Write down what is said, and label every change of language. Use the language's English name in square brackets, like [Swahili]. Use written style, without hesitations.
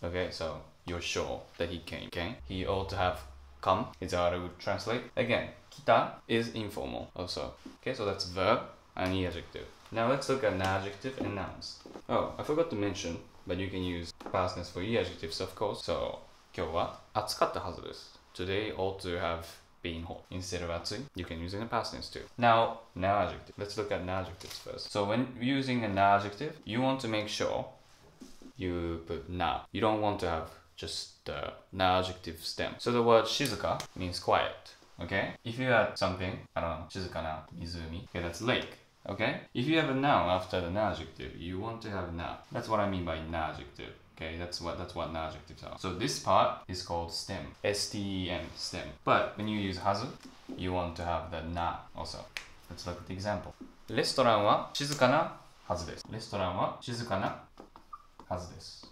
[English] Okay, so you're sure that he came. Okay, he ought to have come. Is that how I would translate? Again, 来た is informal also. Okay, so that's verb and adjective. Now let's look at na-adjective and nouns. Oh, I forgot to mention... But you can use past tense for i-adjectives, of course. [Japanese] So, 今日は暑かったはずです。 [English] Today ought to have been hot. Instead of 暑い, you can use it in past tense too. Now, na-adjective. Let's look at na-adjectives first. So, when using a na-adjective, you want to make sure you put na. You don't want to have just the na-adjective stem. So, the word 静か means quiet, okay? If you add something, I don't know, [Japanese] 静かな湖, [English] okay, that's lake. Okay? If you have a noun after the na-adjective, you want to have na. That's what I mean by na-adjective. Okay? That's what na-adjectives are. So this part is called stem. S-T-E-M, stem. But when you use hazu, you want to have the na also. Let's look at the example. [Japanese] レストランは静かなはずです。レストランは静かなはずです。